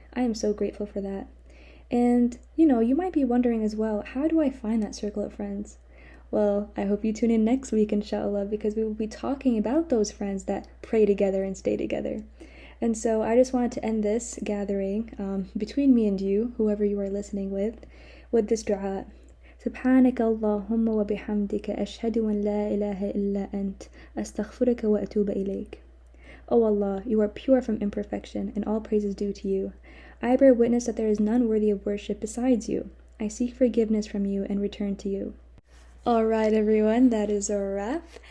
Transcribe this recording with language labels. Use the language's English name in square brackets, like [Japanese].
[English] I am so grateful for that. And you know, you might be wondering as well, how do I find that circle of friends? Well, I hope you tune in next week, inshallah, because we will be talking about those friends that pray together and stay together. And so I just wanted to end this gathering, between me and you, whoever you are listening with this dua. [Arabic] سبحانك اللهم وبحمدك أشهد أن لا إله إلا أنت أستغفرك وأتوب إليك. [English] O Allah, you are pure from imperfection, and all praise is due to you. I bear witness that there is none worthy of worship besides you. I seek forgiveness from you and return to you. All right, everyone, that is a wrap.